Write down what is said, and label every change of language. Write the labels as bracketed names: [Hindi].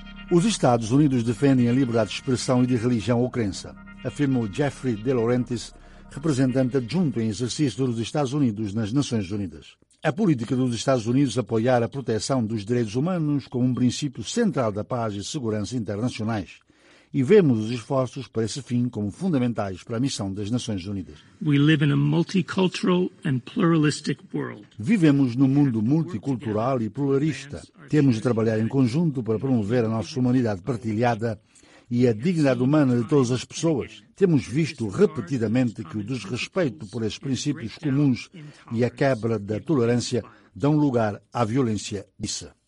[Portuguese] Os Estados Unidos defendem a liberdade de expressão e de religião ou crença, afirmou Jeffrey De Laurentiis, representante adjunto em exercício dos Estados Unidos nas Nações Unidas. A política dos Estados Unidos apoiar a proteção dos direitos humanos como um princípio central da paz e segurança internacionais. E vemos os esforços para esse fim como fundamentais para a missão das Nações Unidas. [English] We live in a multicultural and pluralistic world. [Portuguese] Vivemos num mundo multicultural e pluralista. Temos de trabalhar em conjunto para promover a nossa humanidade partilhada e a dignidade humana de todas as pessoas. Temos visto repetidamente que o desrespeito por esses princípios comuns e a quebra da tolerância dão lugar à violência, disse.